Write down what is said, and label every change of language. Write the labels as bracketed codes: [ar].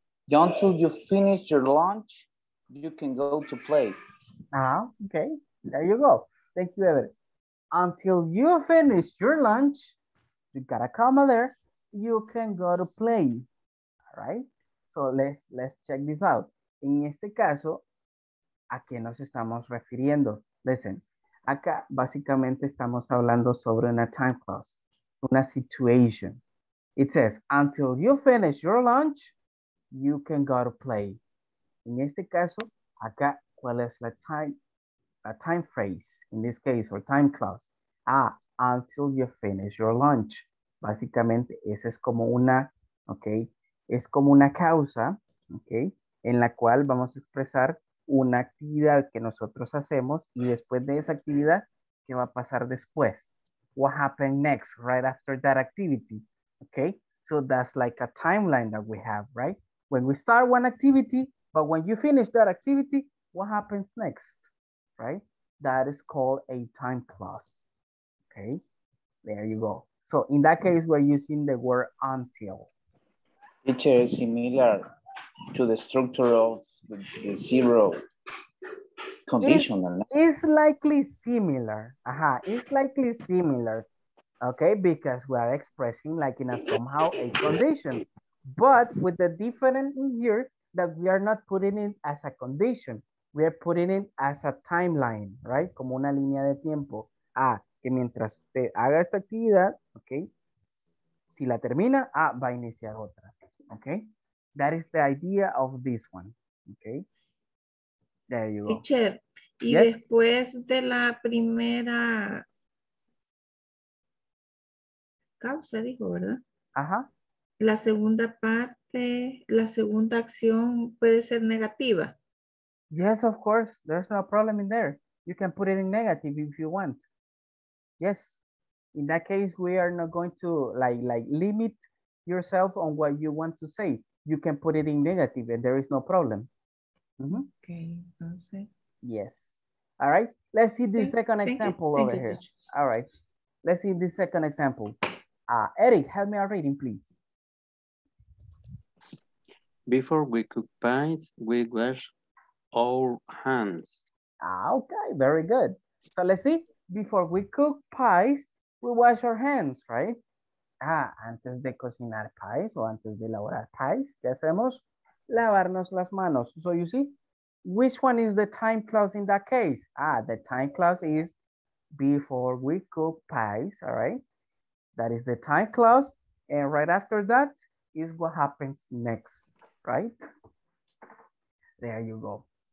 [en] Until you finish your lunch, you can go to play. Ah, okay. There you go. Thank you, Ever. Until you finish your lunch, you gotta come there, you can go to play. All right. So let's check this out. [es] En este caso, ¿a qué nos estamos refiriendo? Listen. Acá básicamente estamos hablando sobre una time clause, una situation. [en] It says, until you finish your lunch, you can go to play. [es] En este caso, acá, ¿cuál es la time phrase? [en] In this case, or time clause. Ah, until you finish your lunch. [es] Básicamente, esa es como una, ok, es como una causa, ok, en la cual vamos a expresar una actividad que nosotros hacemos y después de esa actividad, ¿qué va a pasar después? [en] What happened next, right after that activity? Okay, so that's like a timeline that we have, right? When we start one activity, but when you finish that activity, what happens next, right? That is called a time clause, okay? There you go. So in that case, we're using the word until. Which is similar to the structure of the zero conditional. It's likely similar. Aha, it's likely similar. Okay, because we are expressing like in a somehow a condition, but with the different here that we are not putting it as a condition. We are putting it as a timeline, right? [es] Como una línea de tiempo. Ah, que mientras usted haga esta actividad, okay, si la termina, ah, va a iniciar otra. [en] Okay. That is the idea of this one, okay? There you go. [es] Teacher, y yes? Después de la primera causa, dijo, ¿verdad? Ajá. La segunda parte, la segunda acción puede ser negativa. [en] Yes, of course. There's no problem in there. You can put it in negative if you want. Yes. In that case, we are not going to like limit yourself on what you want to say. You can put it in negative and there is no problem. [es] Mm-hmm. Okay, entonces. [en] Yes. All right, let's see the second example over here. All right, let's see the second example. Eric, help me out reading, please. Before we cook pies, we wash our hands. Okay, very good. So let's see, before we cook pies, we wash our hands, right? [es] Ah, antes de cocinar pies o antes de elaborar pies, ¿qué hacemos? Lavarnos las manos. [en] So you see, which one is the time clause in that case? Ah, the time clause is before we cook pies, all right? That is the time clause. And right after that is what happens next, right? There you go.